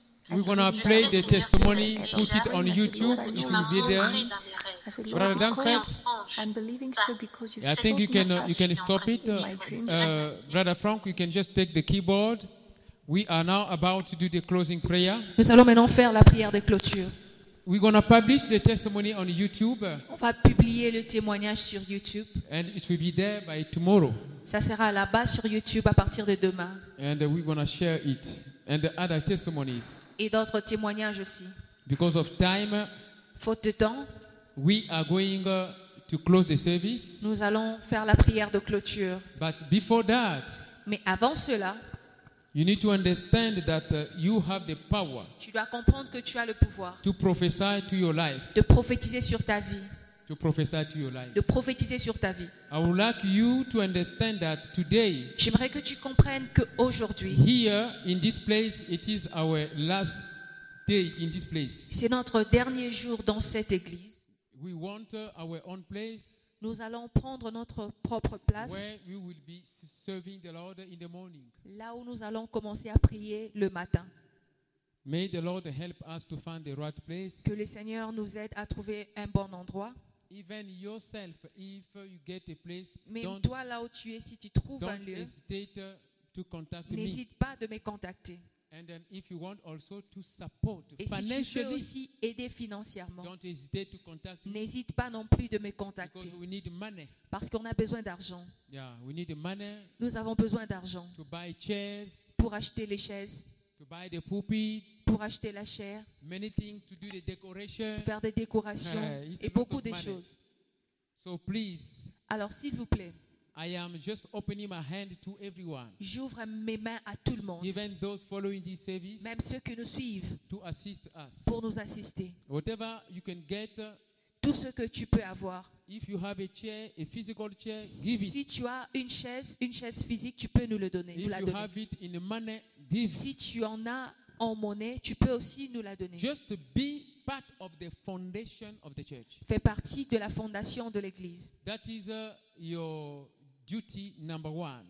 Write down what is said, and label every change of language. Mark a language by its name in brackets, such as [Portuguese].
[English] We're going to play the testimony, put it on YouTube. It will be there. Brother Dankfest, I'm believing so because you've I think you can stop it. Brother Frank, you can just take the keyboard. We are now about to do the closing prayer. [French] Nous allons maintenant faire la prière de clôture. [English] We're going to publish the testimony on YouTube. [French] On va publier le témoignage sur YouTube. [English] And it will be there by tomorrow. [French] Ça sera là-bas sur YouTube à partir de demain. [English] And we're going to share it. And the other testimonies. [French] Et d'autres témoignages aussi. [English] Because of time. [French] Faute de temps. [English] We are going to close the service. [French] Nous allons faire la prière de clôture. [English] But before that. [French] Mais avant cela. [English] You need to understand that you have the power. [French] Tu dois comprendre que tu as le pouvoir. [English] To prophesy to your life. [French] De prophétiser sur ta vie. [English] To prophesy to your life. [French] De prophétiser sur ta vie. [English] I would like you to understand that today. [French] J'aimerais que tu comprennes que aujourd'hui. [English] Here in this place, it is our last day in this place. [French] C'est notre dernier jour dans cette église. [English] We want our own place. [French] Nous allons prendre notre propre place. [English] Where we will be serving the Lord in the morning. [French] Là où nous allons commencer à prier le matin. [English] May the Lord help us to find the right place. [French] Que le Seigneur nous aide à trouver un bon endroit. [English] Even yourself, if you get a place, [French] mais toi là où tu es, si tu trouves un lieu, [English] hesitate to contact me. [French] N'hésite pas de me contacter. [English] And then if you want also to support [French] et [English] financially, [French] si tu veux aussi aider financièrement, [English] don't hesitate to contact [French] n'hésite pas non plus de me contacter. [English] Because we need money. [French] Parce qu'on a besoin d'argent. [English] Yeah, we need money. [French] Nous avons besoin d'argent [English] to buy chairs, [French] pour acheter les chaises, [English] to buy the pulpit, [French] pour acheter la chair, [English] many things to do the decoration, [French] pour faire des décorations et beaucoup de choses. [English] So please, [French] alors s'il vous plaît, [English] I am just opening my hand to everyone. [French] J'ouvre mes mains à tout le monde. [English] Even those following this service. [French] Même ceux qui nous suivent. [English] To assist us. [French] Pour nous assister. [English] Whatever you can get. [French] Tout ce que tu peux avoir. [English] If you have a chair, a physical chair, give it. [French] Si tu as une chaise physique, tu peux nous le donner. [English] If you have it in money, give. [French] Si tu en as en monnaie, tu peux aussi nous la donner. [English] Just be part of the foundation of the church. [French] Fait partie de la fondation de l'église. [English] That is your duty number one.